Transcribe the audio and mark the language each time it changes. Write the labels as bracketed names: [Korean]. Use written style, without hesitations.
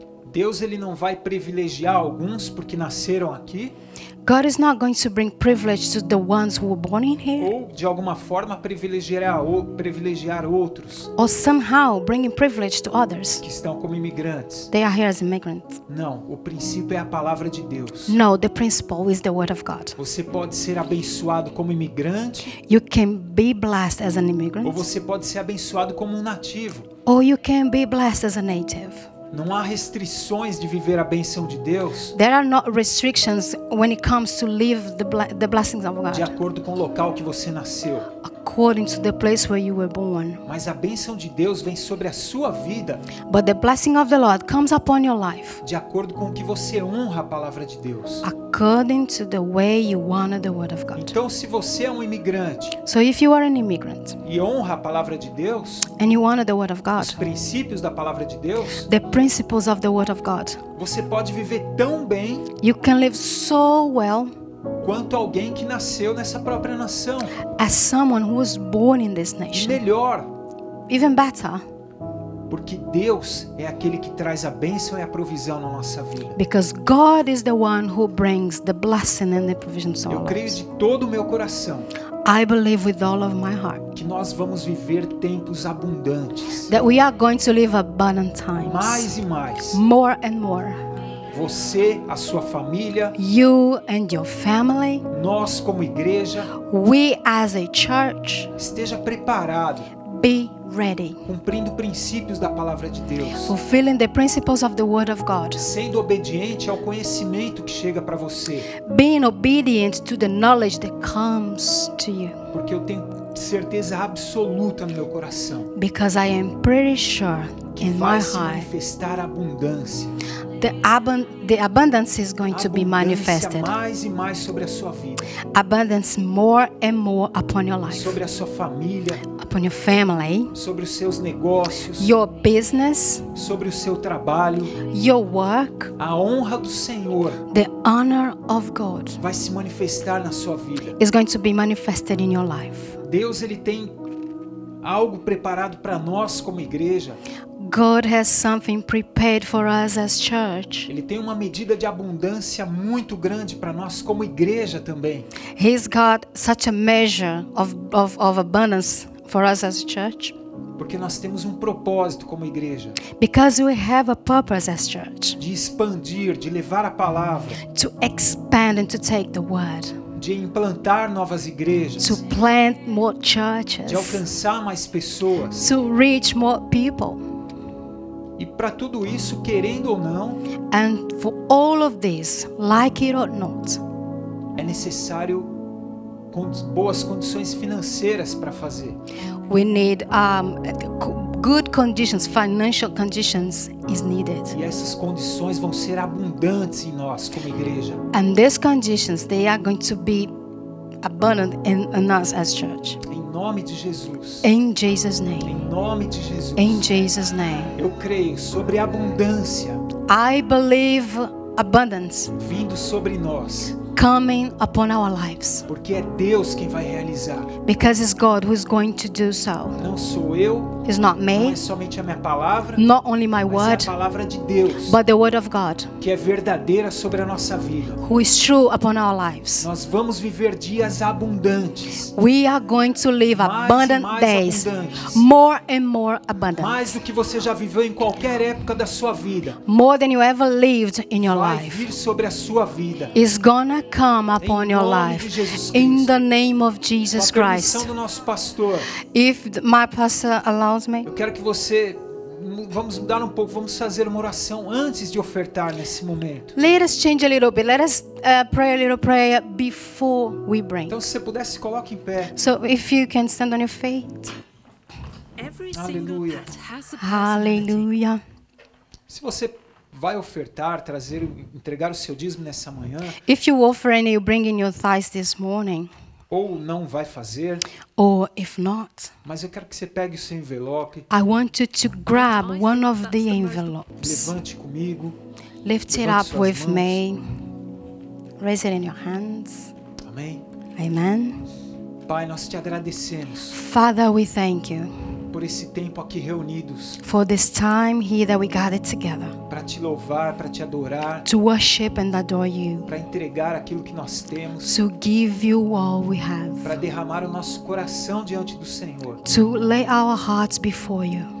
[Portuguese] Deus ele não vai privilegiar alguns porque nasceram aqui. [English] God is not going to bring privilege to the ones who were born in here. [Portuguese] Ou de alguma forma privilegiar outros. [English] Or somehow bringing privilege to others. [Portuguese] Que estão como imigrantes. [English] They are here as immigrants. [Portuguese] Não, o princípio é a palavra de Deus. [English] No, the principle is the word of God. [Portuguese] Você pode ser abençoado como imigrante. [English] You can be blessed as an immigrant. [Portuguese] Ou você pode ser abençoado como um nativo. [English] Or you can be blessed as a native. [Portuguese] Não há restrições de viver a bênção de Deus. [English] There are not restrictions when it comes to live the blessings of God. [Portuguese] De acordo com o local que você nasceu. [English] According to the place where you were born. [Portuguese] Mas a bênção de Deus vem sobre a sua vida. [English] But the blessing of the Lord comes upon your life. [Portuguese] De acordo com o que você honra a palavra de Deus. [English] According to the way you honor the word of God. [Portuguese] Então, se você é um imigrante. [English] So if you are an immigrant. [Portuguese] E honra a palavra de Deus. [English] And you honor the word of God. [Portuguese] Os princípios da palavra de Deus. [English] The principles of the word of God. [Portuguese] Você pode viver tão bem. [English] You can live so well. [Portuguese] Quanto alguém que nasceu nessa própria nação. [English] As someone who was born in this nation. [Portuguese] Melhor. [English] Even better. [Portuguese] Porque Deus é aquele que traz a bênção e a provisão na nossa vida. [English] Because God is the one who brings the blessing and the provision to our lives. [Portuguese] Eu creio de todo o meu coração. [English] I believe with all of my heart. [Portuguese] Que nós vamos viver tempos abundantes. [English] That we are going to live abundant times. [Portuguese] Mais e mais. [English] More and more. [Portuguese] Você, a sua família, [English] you and your family, [Portuguese] nós como igreja, [English] we as a church, [Portuguese] esteja preparado, [English] be ready, [Portuguese] cumprindo princípios da palavra de Deus, [English] fulfilling the principles of the word of God, [Portuguese] sendo obediente ao conhecimento que chega para você, [English] being obedient to the knowledge that comes to you, [Portuguese] porque eu tenho certeza absoluta no meu coração. [English] Because I am pretty sure in my heart. [Portuguese] Vai se manifestar abundância. [English] The abundance is going to be manifested. [Portuguese] Mais e mais sobre a sua vida. [English] Abundance more and more upon your life. [Portuguese] Sobre a sua família. [English] Upon your family. [Portuguese] Sobre os seus negócios. [English] Your business. [Portuguese] Sobre o seu trabalho. [English] Your work. [Portuguese] A honra do Senhor. [English] The honor of God. [Portuguese] Vai se manifestar na sua vida. [English] Is going to be manifested in your life. [Portuguese] Deus, ele tem algo preparado para nós como igreja. [English] God has something prepared for us as church. [Portuguese] Ele tem uma medida de abundância muito grande para nós como igreja também. [English] He's got such a measure of abundance for us as church. [Portuguese] Porque nós temos um propósito como igreja. [English] Because we have a purpose as church. [Portuguese] De expandir, de levar a palavra. [English] To expand and to take the word. [Portuguese] De implantar novas igrejas. [English] To plant more churches. [Portuguese] De alcançar mais pessoas. [English] To reach more people. [Portuguese] E para tudo isso, querendo ou não, [English] and for all of this, like it or not, [Portuguese] é necessário boas condições financeiras para fazer. [English] We need good conditions, financial conditions is needed. [Portuguese] E essas condições vão ser abundantes em nós como igreja. [English] And these conditions, they are going to be abundant in us as church. [Portuguese] Em nome de Jesus. [English] In Jesus' name. [Portuguese] Em nome de Jesus. [English] In Jesus' name. [Portuguese] Eu creio sobre abundância. [English] I believe abundance. [Portuguese] Vindo sobre nós. [English] Coming upon our lives. [Portuguese] Porque é Deus quem vai realizar. [English] Because it's God who's going to do so. [Portuguese] Não sou eu. [English] It's not me. [Portuguese] Não é somente a minha palavra. [English] Not only my word. [Portuguese] Mas é a palavra de Deus. [English] But the word of God. [Portuguese] Que é verdadeira sobre a nossa vida. [English] Who is true upon our lives. [Portuguese] Nós vamos viver dias abundantes. [English] We are going to live [Portuguese] mais [English] abundant [Portuguese] mais [English] days. [Portuguese] Abundantes. [English] More and more abundant. [Portuguese] Mais do que você já viveu em qualquer época da sua vida. [English] More than you ever lived in your [Portuguese] vai [English] life. [Portuguese] Vai vir sobre a sua vida. [English] Is gonna come upon your life in the name of Jesus Christ. [Portuguese] Com a permissão do nosso pastor. [English] If my pastor allows me. [Portuguese] Eu quero que você vamos mudar um pouco, vamos fazer uma oração antes de ofertar nesse momento. [English] Let us change a little bit. Let us pray a little prayer before we bring. [Portuguese] Então se você puder se coloque em pé. [English] So if you can stand on your feet. [Portuguese] Aleluia. Aleluia. Se você vai ofertar, trazer, entregar o seu dízimo nessa manhã. [English] If you offer and you bring in your tithes this morning. [Portuguese] Ou não vai fazer. [English] Or if not. [Portuguese] Mas eu quero que você pegue o seu envelope. [English] I want you to grab one of the envelopes. [Portuguese] Levante comigo. [English] Lift it up with me. Raise it in your hands. [Portuguese] Amém. [English] Amen. [Portuguese] Pai, nós te agradecemos. [English] Father, we thank you. [Portuguese] Por esse tempo aqui reunidos. [English] For this time here that we gathered together. [Portuguese] Para te louvar, para te adorar. [English] To worship and adore you. [Portuguese] Para entregar aquilo que nós temos. [English] To give you all we have. [Portuguese] Para derramar o nosso coração diante do Senhor. [English] To lay our hearts before you.